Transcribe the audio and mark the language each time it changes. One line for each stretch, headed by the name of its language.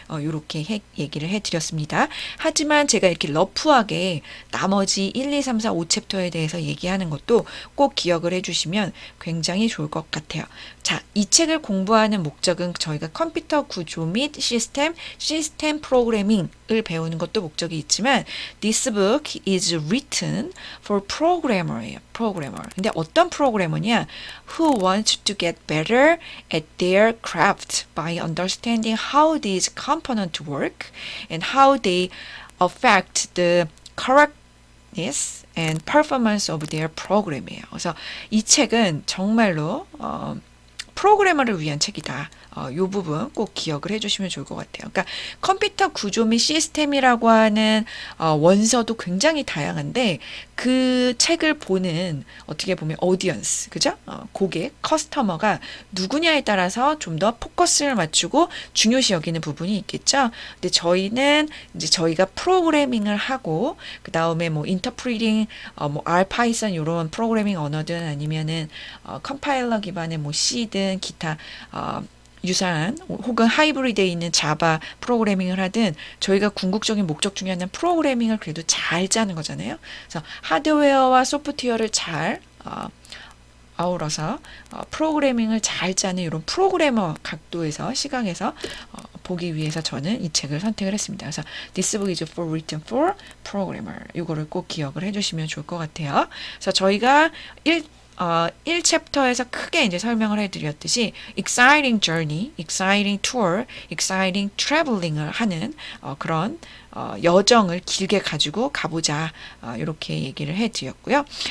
Korean: 이렇게 얘기를 해드렸습니다. 하지만 제가 이렇게 러프하게 나머지 1, 2, 3, 4, 5 챕터에 대해서 얘기하는 것도 꼭 기억을 해주시면 굉장히 좋을 것 같아요. 자, 이 책을 공부하는 목적은 저희가 컴퓨터 구조 및 시스템 프로그래밍을 배우는 것도 목적이 있지만,
English: This book is written for programmer
Korean: 예요.
English: Programmer.
Korean: 근데 어떤 프로그래머냐?
English: Who wants to get better at their craft by understanding how these components work and how they affect the correctness and performance of their program이에요.
Korean: 그래서 이 책은 정말로 프로그래머를 위한 책이다. 요 부분 꼭 기억을 해주시면 좋을 것 같아요. 그러니까 컴퓨터 구조 및 시스템이라고 하는 원서도 굉장히 다양한데 그 책을 보는 어떻게 보면 오디언스, 그죠? 고객, 커스터머가 누구냐에 따라서 좀더 포커스를 맞추고 중요시 여기는 부분이 있겠죠? 근데 저희는 이제 저희가 프로그래밍을 하고 그다음에 뭐 인터프리팅, 뭐 R파이썬 이런 프로그래밍 언어든 아니면은 컴파일러 기반의 뭐 C든 기타 유사한 혹은 하이브리드에 있는 자바 프로그래밍을 하든 저희가 궁극적인 목적 중에 하나는 프로그래밍을 그래도 잘 짜는 거잖아요. 그래서 하드웨어와 소프트웨어를 잘 아우러서 프로그래밍을 잘 짜는 이런 프로그래머 각도에서 시각에서 보기 위해서 저는 이 책을 선택을 했습니다. 그래서
English: This book is for written for programmer.
Korean: 이거를 꼭 기억을 해주시면 좋을 것 같아요. 그래서 저희가 1챕터에서 크게 이제 설명을 해드렸듯이
English: exciting journey, exciting tour, exciting traveling
Korean: 을 하는 그런 여정을 길게 가지고 가보자 이렇게 얘기를 해드렸고요.